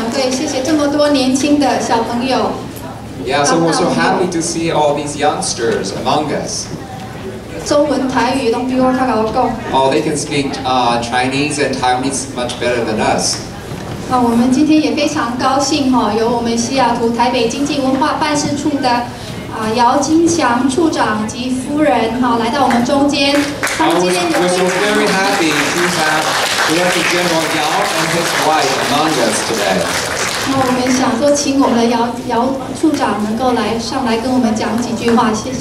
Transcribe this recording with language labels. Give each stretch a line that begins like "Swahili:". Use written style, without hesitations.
Chinese: 谢谢这么多年轻的小朋友，
English: Yeah, so we're so happy to see all these youngsters among us. Oh, they can speak Chinese and Taiwanese much better than us.
Chinese: 我们今天也非常高兴有我们西雅图台北经济文化办事处的姚金祥处长及夫人来到我们中间。
English: We're so very happy to have Director General Yao and his wife among us today.
Chinese: 那我们想说请我们的姚处长能够上来跟我们讲几句话，谢谢。